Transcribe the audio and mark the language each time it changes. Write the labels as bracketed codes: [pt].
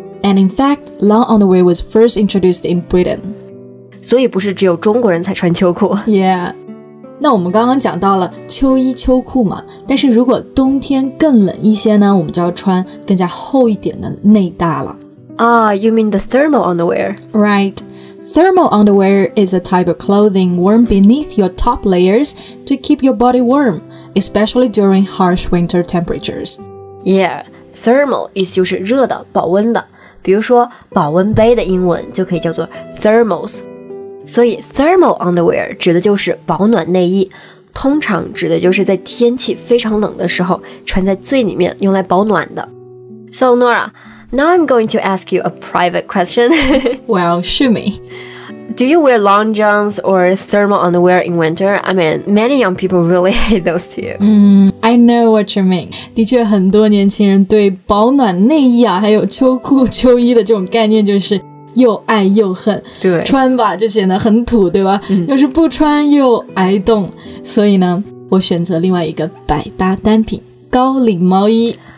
[en] And in fact, long underwear was first introduced in Britain. [zh] 所以不是只有中国人才穿秋裤。 [en] Yeah. [zh] 那我们刚刚讲到了秋衣秋裤嘛，但是如果冬天更冷一些呢，我们就要穿更加厚一点的内搭了。 [en] You mean the thermal underwear. Right. Thermal underwear is a type of clothing worn beneath your top layers to keep your body warm, especially during harsh winter temperatures. [zh] Yeah, thermal 意思就是热的，保温的。比如说保温杯的英文就可以叫做 thermos， 所以 thermal underwear 指的就是保暖内衣，通常指的就是在天气非常冷的时候穿在最里面用来保暖的。 [en] So Nora, now I'm going to ask you a private question. Well, shoot me. Do you wear long johns or thermal underwear in winter? I mean, many young people really hate those too. I know what you mean. [zh] 的确很多年轻人对保暖内衣啊还有秋裤秋衣的这种概念就是又爱又恨。对。穿吧就显得很土对吧、要是不穿又挨冻。所以呢我选择另外一个百搭单品高领毛衣。